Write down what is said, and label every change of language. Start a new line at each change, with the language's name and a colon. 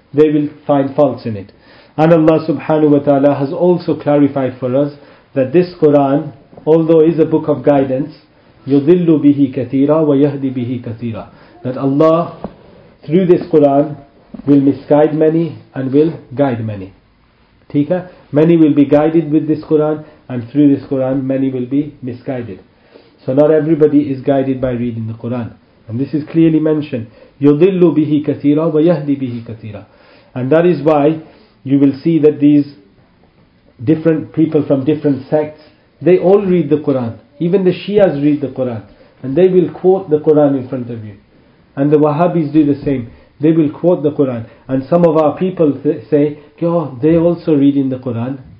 English: They will find faults in it. And Allah subhanahu wa ta'ala has also clarified for us that this Quran, although is a book of guidance,
Arabic: يُضِلُّ بِهِ كَثِيرًا وَيَهْدِي بِهِ كَثِيرًا,
English: that Allah, through this Quran, will misguide many and will guide many. Tika? Many will be guided with this Quran, and through this Quran, many will be misguided. So not everybody is guided by reading the Quran. And this is clearly mentioned.
Arabic: يُضِلُّ بِهِ كَثِيرًا وَيَهْدِي بِهِ كَثِيرًا.
English: And that is why you will see that these different people from different sects, they all read the Quran. Even the Shias read the Quran. And they will quote the Quran in front of you. And the Wahhabis do the same. They will quote the Quran. And some of our people say, yo, they also read in the Quran.